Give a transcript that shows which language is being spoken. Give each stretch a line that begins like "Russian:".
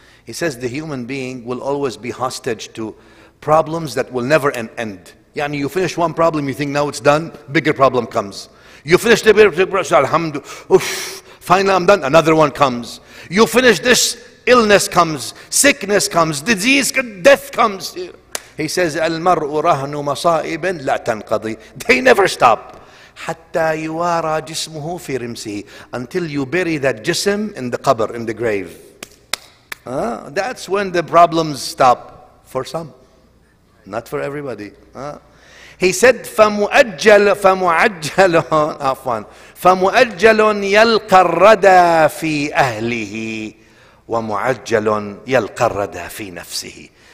English: He says, the human being will always be hostage to problems that will never end. يعني you finish one problem, you think now it's done, bigger problem comes. You finish the bigger problem, alhamdulillah, finally I'm done, another one comes. You finish this, illness comes, sickness comes, disease, death comes. He says,
Arabic: المرء رهن مصائب لا تنقضي.
English: They never stop.
Arabic: حَتَّى يُوَارَى جِسْمُهُ فِي رِمْسِهِ.
English: Until you bury that jism in the qabr, in the grave. That's when the problems stop. For some. Not for everybody. He said,
Arabic: فَمُؤَجَّلٌ يَلْقَى الرَّدَى فِي أَهْلِهِ وَمُعَجَّلٌ يَلْقَى الرَّدَى فِي نَفْسِهِ.